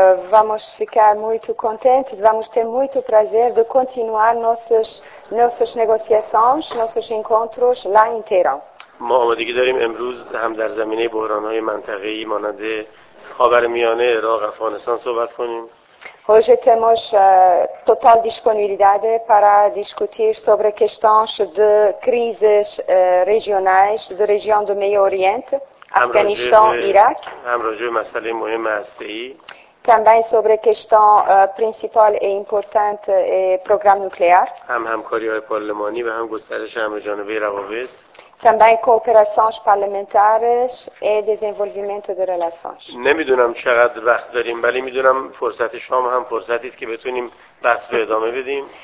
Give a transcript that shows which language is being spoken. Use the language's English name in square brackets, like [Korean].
[Portuguese] Vamos ficar muito contentes, vamos ter muito prazer de continuar nossas negociações, nossos encontros lá em Teerã. [Persian] ما آمادگی داریم امروز هم در زمینه بحران‌های منطقه‌ای مانند خاورمیانه، عراق، افغانستان صحبت کنیم. [Portuguese] Hoje temos total disponibilidade para discutir sobre questões de crises regionais, da região do Meio Oriente, Afeganistão, Iraque. [Persian] هم راجع به مسئله مهم هسته‌ای. [Portuguese] Também sobre a questão principal e importante, programa nuclear. [Persian] هم همکاری های پارلمانی و هم گسترش همه‌جانبه روابط. [Portuguese] Também cooperações parlamentares e desenvolvimento de relações. [Persian] نمیدونم چقدر وقت داریم، ولی میدونم فرصت شام هم فرصتی است که بتونیم بحث رو ادامه بدیم.